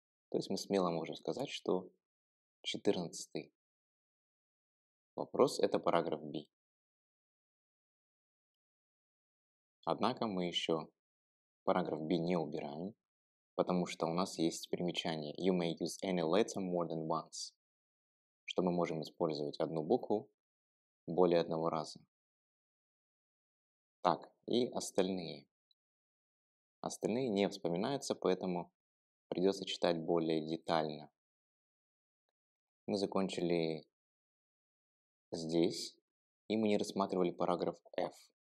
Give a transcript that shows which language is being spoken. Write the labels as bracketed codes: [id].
[ru] То есть мы смело можем сказать, что 14-й вопрос — это параграф B. Однако мы еще параграф B не убираем, потому что у нас есть примечание. [en] You may use any letter more than once. [ru] Что мы можем использовать одну букву более одного раза. Так, и остальные. Остальные не вспоминаются, поэтому придется читать более детально. Мы закончили здесь, и мы не рассматривали параграф F.